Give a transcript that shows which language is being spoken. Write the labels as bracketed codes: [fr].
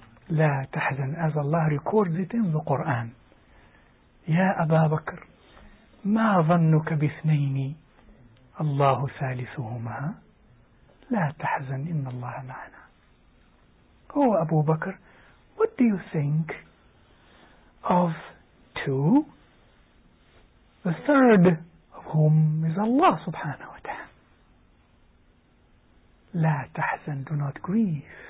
[ar] لا تحزن, [en] as Allah records it in the Quran. [ar] Ya Aba Bakr, ما ظنك باثنين الله ثالثهما لا تحزن إن الله معنا. [en] Oh Abu Bakr, what do you think of two? The third whom is Allah subhanahu wa ta'ala. [ar] لا تحزن, [en] do not grieve.